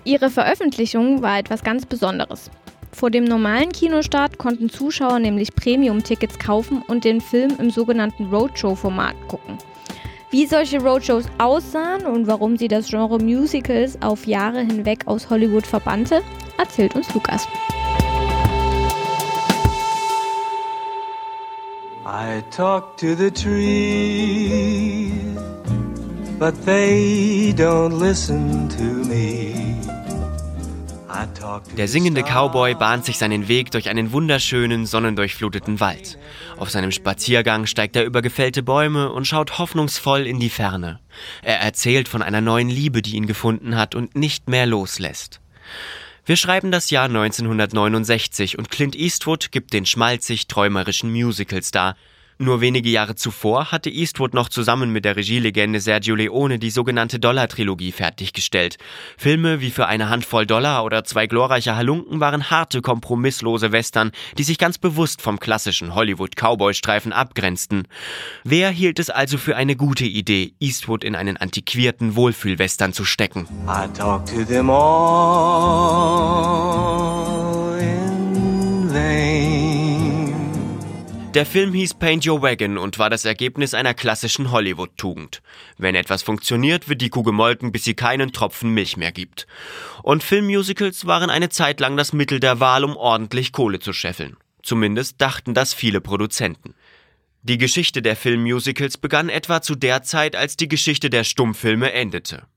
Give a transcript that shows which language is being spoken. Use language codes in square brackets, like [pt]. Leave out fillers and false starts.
[de] Ihre Veröffentlichung war etwas ganz Besonderes. Vor dem normalen Kinostart konnten Zuschauer nämlich Premium-Tickets kaufen und den Film im sogenannten Roadshow-Format gucken. Wie solche Roadshows aussahen und warum sie das Genre Musicals auf Jahre hinweg aus Hollywood verbannte, erzählt uns Lukas. [en] I talk to the trees, but they don't listen to me. [de] Der singende Cowboy bahnt sich seinen Weg durch einen wunderschönen, sonnendurchfluteten Wald. Auf seinem Spaziergang steigt er über gefällte Bäume und schaut hoffnungsvoll in die Ferne. Er erzählt von einer neuen Liebe, die ihn gefunden hat und nicht mehr loslässt. Wir schreiben das Jahr 1969 und Clint Eastwood gibt den schmalzig-träumerischen Musical-Star. Nur wenige Jahre zuvor hatte Eastwood noch zusammen mit der Regielegende Sergio Leone die sogenannte Dollar-Trilogie fertiggestellt. Filme wie Für eine Handvoll Dollar oder Zwei glorreiche Halunken waren harte, kompromisslose Western, die sich ganz bewusst vom klassischen Hollywood-Cowboy-Streifen abgrenzten. Wer hielt es also für eine gute Idee, Eastwood in einen antiquierten Wohlfühl-Western zu stecken? [en] I talk to them all in vain. [de] Der Film hieß Paint Your Wagon und war das Ergebnis einer klassischen Hollywood-Tugend. Wenn etwas funktioniert, wird die Kuh gemolken, bis sie keinen Tropfen Milch mehr gibt. Und Filmmusicals waren eine Zeit lang das Mittel der Wahl, um ordentlich Kohle zu scheffeln. Zumindest dachten das viele Produzenten. Die Geschichte der Filmmusicals begann etwa zu der Zeit, als die Geschichte der Stummfilme endete.